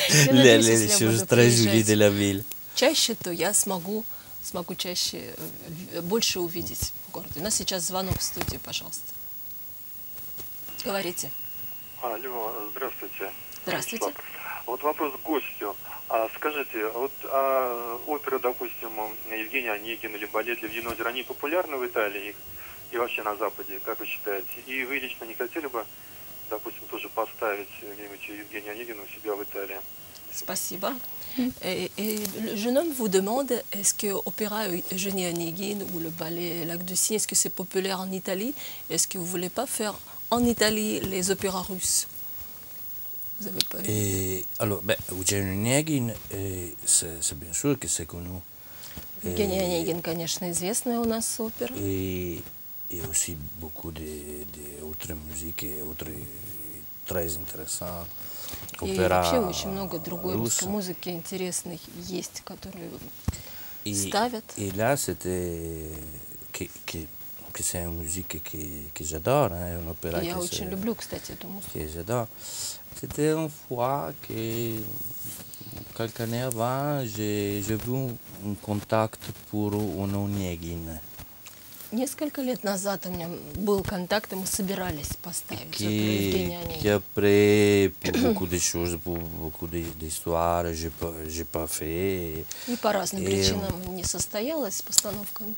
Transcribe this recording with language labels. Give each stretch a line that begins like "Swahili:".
French: les choses très jolies de la ville.
Russian: Чаще, то я смогу чаще, больше увидеть в городе. У нас сейчас звонок в студию, пожалуйста. Говорите. Алло, здравствуйте. Здравствуйте. Вот вопрос к гостю. Скажите, вот опера, допустим, Евгений Онегин или балет «Лебединое озеро», они популярны в Италии и вообще на Западе, как вы считаете? И вы лично не хотели бы, допустим, тоже поставить где-нибудь Евгения Онегина у себя в Италии? Спасибо.
French: Je nomme vous demande, est-ce que l'opéra Евгений Онегин ou le ballet «Lac du Cygne», est-ce que c'est populaire en Italie? Est-ce que vous voulez pas faire en Italie, les opéras russes, vous avez pas vu? Alors, Евгений Онегин, c'est bien sûr que c'est connu.
Russian: Евгений Онегин, конечно, известная у нас опера.
French: И aussi beaucoup de autres musiques, autres très intéressants opéras.
Russian: И вообще очень много другой русской музыки интересных есть, которые ставят.
French: И là, c'était que c'est une musique que j'adore, hein, un opéra que c'est...
Russian: Я очень люблю, кстати, эту музыку.
French: Que j'adore. C'était une fois que, quelques années avant, j'ai vu un contact pour un Onegin.
Russian: Несколько лет назад у меня был контакт, и мы собирались поставить опера Евгения Онегина.
French: Et après, pour beaucoup de choses, pour beaucoup d'histoires, j'ai pas fait.
Russian: И по разным причинам не состоялась постановка.